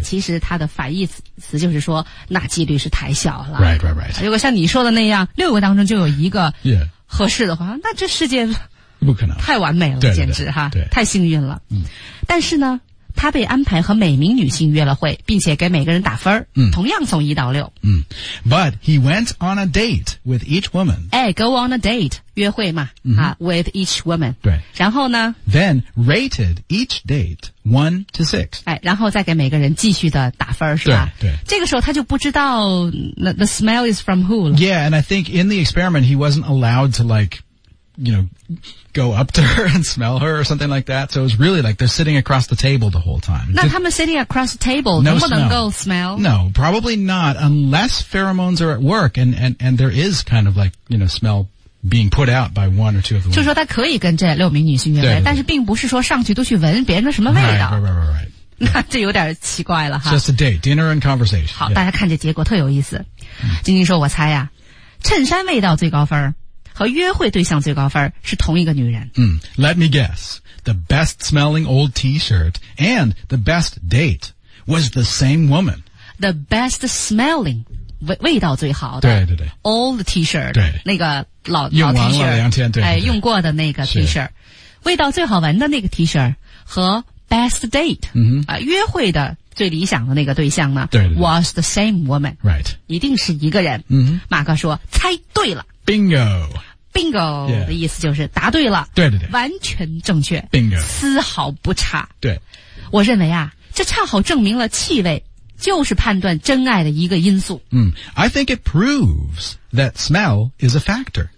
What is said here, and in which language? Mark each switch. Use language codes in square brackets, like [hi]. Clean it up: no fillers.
[zh] 其实他的反义词就是说，那几率是太小了。 [en] Right, right, right. [zh] 如果像你说的那样，六个当中就有一个合适的话， [en] yeah. [zh] 那这世界不可能太完美了，对对对简直哈，对，太幸运了。但是呢。他被安排和每名女性约了会，并且给每个人打分、同样从一到六。 [en] But he went on a date with each woman. 哎 ，go on a date， [zh] 约会嘛， [en] with each woman。 [zh] 对。然后呢 [en] ？Then rated each date 1 to 6。 [zh] 哎，然后再给每个人继续的打分，是吧？对。对这个时候他就不知道 [en] the smell is from who [zh] 了。 [en] Yeah, and I think in the experiment he wasn't allowed to like. You know, go up to her and smell her or something like that. So it was really like they're sitting across the table the whole time. [zh] 那他们 [en] sitting across the table, [zh] 能不能够 smell? [en] No, probably not unless pheromones are at work and there is kind of like, you know, smell being put out by one or two of the women. [zh] 就说他可以跟这六名女性约会，但是并不是说上去都去闻别人的什么味道。 [en] Right, right, right, right. [zh] 那这有点奇怪了哈。 [en] Just a date, dinner and conversation. [zh] 好，大家看这结果特有意思。晶晶说我猜啊，衬衫味道最高分和约会对象最高分是同一个女人。 [en] Let me guess. The best smelling old t-shirt and the best date was the same woman. The best smelling, [zh] 味道最好的。对对对。 [en] Old t-shirt. [zh] 对。那个老 t-shirt。用完了两天对。哎用过的那个 t-shirt。味道最好闻的那个 t-shirt 和 [en] best date,、 [zh] 约会的最理想的那个对象呢。对对对。 [en] was the same woman. Right. [zh] 一定是一个人。马哥说猜对了。 [en] Bingo. [zh] Bingo 的意思就是答对了。对对对。完全正确。 [en] Bingo. [zh] 丝毫不差。对。我认为啊这恰好证明了气味就是判断真爱的一个因素。 [en] I think it proves that smell is a factor.